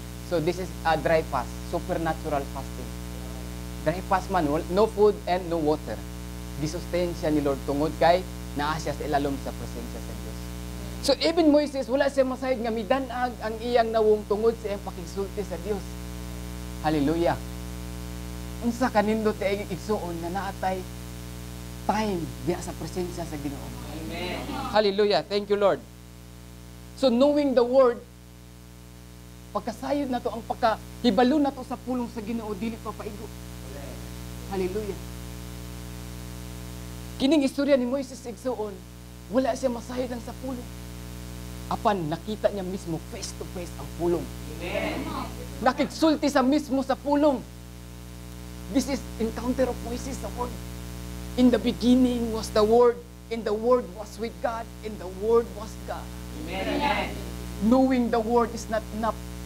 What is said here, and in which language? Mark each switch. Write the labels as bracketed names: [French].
[English] So this is a dry fast, supernatural fasting. Dry fast man, no food and no water. [Cebuano] Gisustain siya ni Lord tungod kay naa siya sa ilalom sa presensya sa Dios. So even Moises, wala siya masayod nga midanag ang iyang nawong tungod sa iyang pakisulti sa Dios. Hallelujah. Unsa kanindo ti aging igsuon na naatay time diya sa presensya sa Ginoo. Amen. Hallelujah. [English] Thank you, Lord. So knowing the word, [Cebuano] pagkasayod na to, ang pagkahibalo na to sa pulong sa Ginoo, dili pa paigo. Hallelujah. Kining istorya ni Moises igsuon, wala siya masayod lang sa pulong. Apan nakita niya mismo [English] face to face [Cebuano] ang pulong. Amen. Nakigsulti sa mismo sa pulong. [English] This is encounter of Moises, the word. In the beginning was the word, and the word was with God, and the word was God. Amen. Knowing the word is not enough.